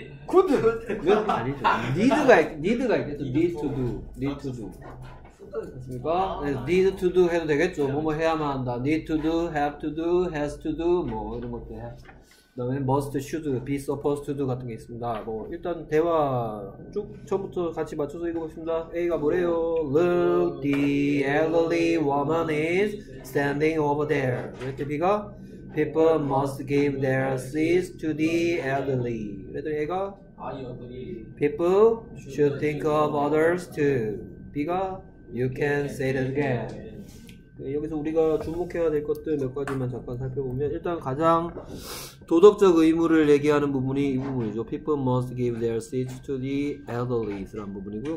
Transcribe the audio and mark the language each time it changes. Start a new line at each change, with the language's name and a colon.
English: Could. Could.
Korean: 아니죠.
English: Need가 있겠죠. Need to do. Need to do.
Korean: 그러니까 need to do 해도 되겠죠. 뭐뭐 해야만 한다. Need to do. Have to do. Has to do. 뭐 이런 것들 해. 그 다음에 must, should, be supposed to do 같은 게 있습니다. 뭐 일단 대화 쭉 처음부터 같이 맞춰서 읽어봅시다. A가 뭐래요?
English: Look, the elderly woman is standing over there.
Korean: 그랬더니
English: B가 people must give their seats to the elderly.
Korean: 그랬더니
English: A가 people should think of others too. B가 you can say it again.
Korean: 여기서 우리가 주목해야 될 것들 몇 가지만 잠깐 살펴보면, 일단 가장 도덕적 의무를 얘기하는 부분이 이 부분이죠.
English: People must give their seats to the elderly
Korean: 라는 부분이고요.